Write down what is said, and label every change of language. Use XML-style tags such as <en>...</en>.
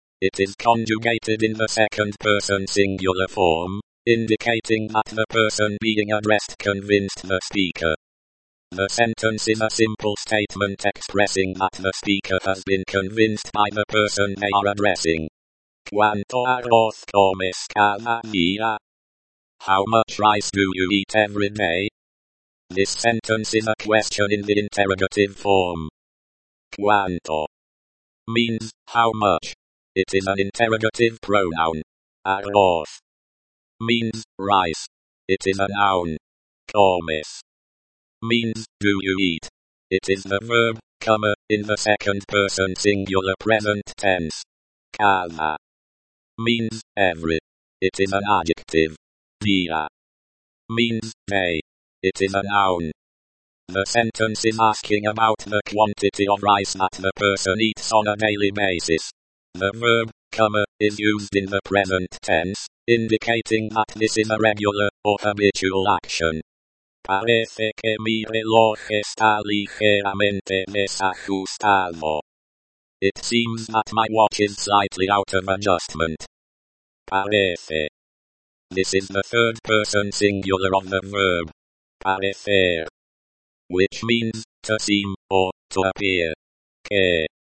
<en>It is conjugated in the second person singular form, indicating that the person being addressed convinced the speaker. The sentence is a simple statement expressing that the speaker has been convinced by the person they are addressing.</en> <es>¿Cuánto arroz comes cada día?</es> <en>How much rice do you eat every day? This sentence is a question in the interrogative form.</en> <es>¿Cuánto?</es> <en>Means, how much? It is an interrogative pronoun.</en> <es>Arroz</es> <en>means rice. It is a noun.</en> <es>Comes</es> <en>means, do you eat? It is the verb, comma, in the second person singular present tense.</en> <es>Cada</es> <en>means, every. It is an adjective.</en> <es>Día</es> <en>means, day. It is a noun. The sentence is asking about the quantity of rice that the person eats on a daily basis. The verb, comma, is used in the present tense, indicating that this is a regular or habitual action.</en> <es>Parece que mi reloj está ligeramente desajustado.</es> <en>It seems that my watch is slightly out of adjustment.</en> <es>Parece.</es> <en>This is the third person singular of the verb.</en> <es>Parecer.</es> <en>which means to seem or to appear. Que.</en>